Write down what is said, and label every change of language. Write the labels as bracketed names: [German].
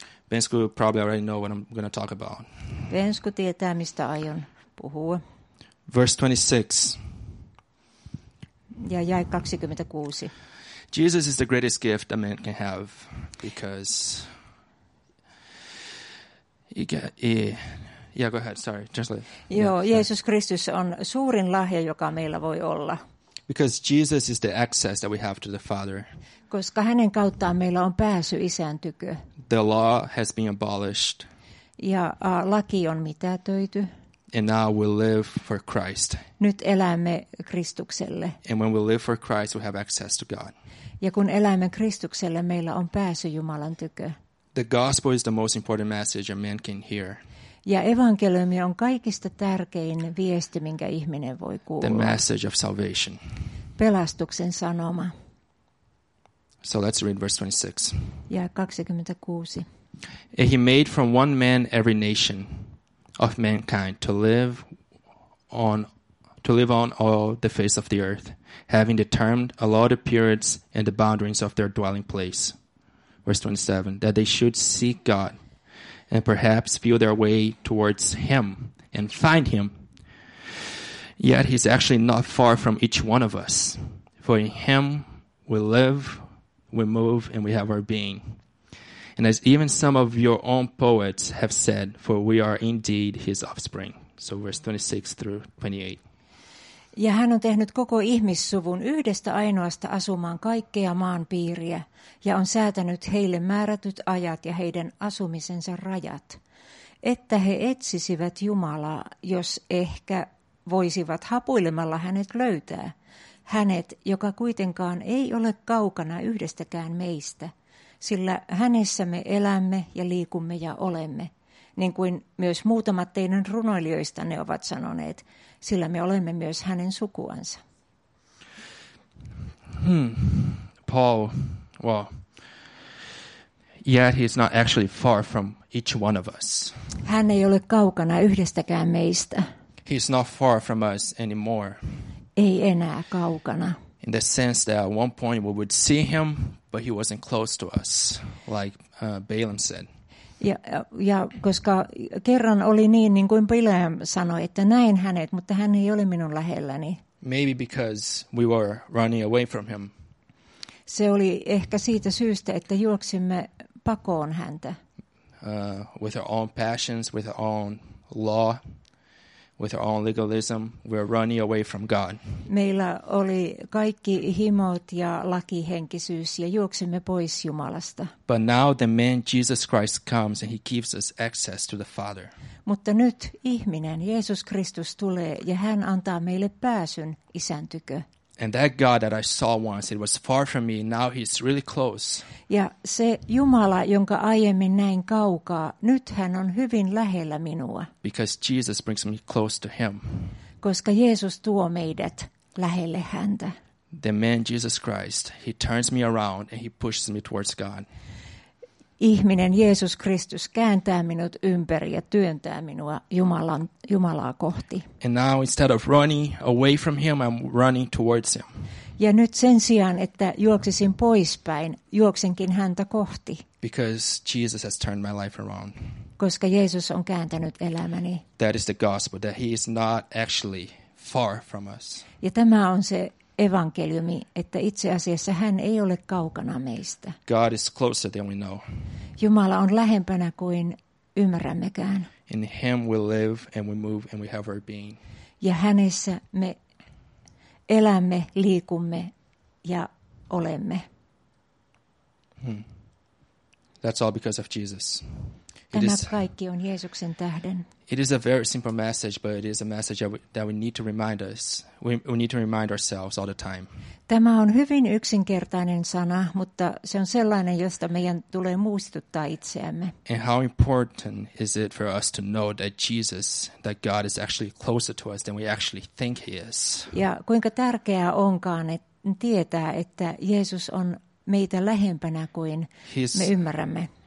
[English] Bensku probably already know what I'm going to talk about. [Finnish] Bensku tietää, mistä aion puhua. [English] Verse 26. [Finnish] Ja jae 26. [English] Jesus is the greatest gift a man can have, because you get go ahead, sorry, translate. [Finnish] Joo, Jeesus Kristus on suurin lahja, joka meillä voi olla. [English] Because Jesus is the access that we have to the Father. [Finnish] Koska hänen kauttaan meillä on pääsy isän tykö. [English] The law has been abolished. [Finnish] Ja laki on mitätöity. [English] And now we live for Christ. [Finnish] Nyt elämme Kristukselle. [English] And when we live for Christ, we have access to God. [Finnish] Ja kun elämme Kristukselle, meillä on pääsy Jumalan tykö. [English] The gospel is the most important message a man can hear. [Finnish] Ja evankeliumi on kaikista tärkein viesti, minkä ihminen voi kuulla. [English] The message of salvation. [Finnish] Pelastuksen sanoma. [English] So let's read verse 26. [Finnish] Ja 26. [English] And he made from one man every nation of mankind to live on all the face of the earth, having determined allotted periods and the boundaries of their dwelling place. Verse 27. That they should seek God, and perhaps feel their way towards him and find him. Yet he's actually not far from each one of us. For in him we live, we move, and we have our being. And as even some of your own poets have said, for we are indeed his offspring. So verse 26 through 28. [Finnish] Ja hän on tehnyt koko ihmissuvun yhdestä ainoasta asumaan kaikkea maan piiriä, ja on säätänyt heille määrätyt ajat ja heidän asumisensa rajat, että he etsisivät Jumalaa, jos ehkä voisivat hapuilemalla hänet löytää, hänet, joka kuitenkaan ei ole kaukana yhdestäkään meistä, sillä hänessä me elämme ja liikumme ja olemme, niin kuin myös muutamat teidän runoilijoistanne ovat sanoneet, sillä me olemme myös hänen sukuansa. [English] Paul, well, yet he's not actually far from each one of us. [Finnish] Hän ei ole kaukana yhdestäkään meistä. [English] He's not far from us anymore. [Finnish] Ei enää kaukana. [English] In the sense that at one point we would see him, but he wasn't close to us, like Balaam said. [Finnish] Ja koska kerran oli niin kuin Bileam sanoi, että näin hänet, mutta hän ei ole minun lähelläni. [English] Maybe because we were running away from him. [Finnish] Se oli ehkä siitä syystä, että juoksimme pakoon häntä. [English] With our own passions, with our own law, with our own legalism, we're running away from God. [Finnish] Meillä oli kaikki himot ja lakihenkisyys ja juoksimme pois Jumalasta. [English] But now the man Jesus Christ comes and he gives us access to the Father. [Finnish] Mutta nyt ihminen Jeesus Kristus tulee ja hän antaa meille pääsyn isän tykö. [English] And that God that I saw once, it was far from me, now he's really close. [Finnish] Ja se Jumala, jonka aiemmin näin kaukaa, nyt hän on hyvin lähellä minua. [English] Because Jesus brings me close to him. [Finnish] Koska Jeesus tuo meidät lähelle häntä. [English] The man Jesus Christ, he turns me around and he pushes me towards God. [Finnish] ihminen Jeesus Kristus kääntää minut ympäri ja työntää minua Jumalaa kohti. [English] And now instead of running away from him, I'm running towards him. [Finnish] Ja nyt sen sijaan, että juoksisin poispäin, juoksenkin häntä kohti. [English] Because Jesus has turned my life around. [Finnish] Koska Jeesus on kääntänyt elämäni. [English] That is the gospel, that he is not actually far from us. [Finnish] Ja tämä on se evankeliumi, että itse asiassa hän ei ole kaukana meistä. [English] God is closer than we know. [Finnish] Jumala on lähempänä kuin ymmärrämmekään. [English] In him we live and we move and we have our being. [Finnish] Ja hänessä me elämme, liikumme ja olemme. [English] That's all because of Jesus. [Finnish] Tämä kaikki on Jeesuksen tähden. [English] It is a very simple message, but it is a message that we need to remind us. We need to remind ourselves all the time. [Finnish] Tämä on hyvin yksinkertainen sana, mutta se on sellainen, josta meidän tulee muistuttaa itseämme. [English] And how important is it for us to know that Jesus, that God is actually closer to us than we actually think he is. [Finnish] Ja kuinka tärkeää onkaan, että tietää, että Jeesus on meitä lähempänä kuin me ymmärrämme.